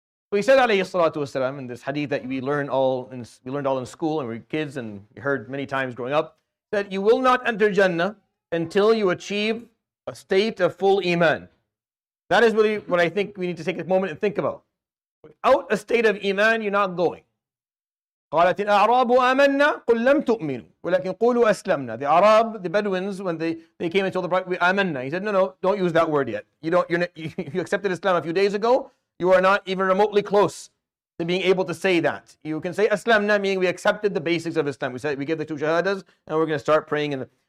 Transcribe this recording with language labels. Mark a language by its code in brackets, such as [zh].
[en] So he said, alayhi salatu wasalam, in this hadith that we learned all in school and we were kids and we heard many times growing up, that you will not enter Jannah until you achieve a state of full iman. That is really what I think we need to take a moment and think about. Without a state of iman, you're not going. [ar] قالت الأعراب آمنا قل لم تؤمنوا ولكن قولوا أسلمنا. [en] The Arab, the Bedouins, when they came and told the Prophet, آمنا, he said, no, don't use that word yet. You accepted Islam a few days ago, you are not even remotely close to being able to say that. You can say أسلمنا, meaning we accepted the basics of Islam. We said we gave the two shahadas and we're going to start praying.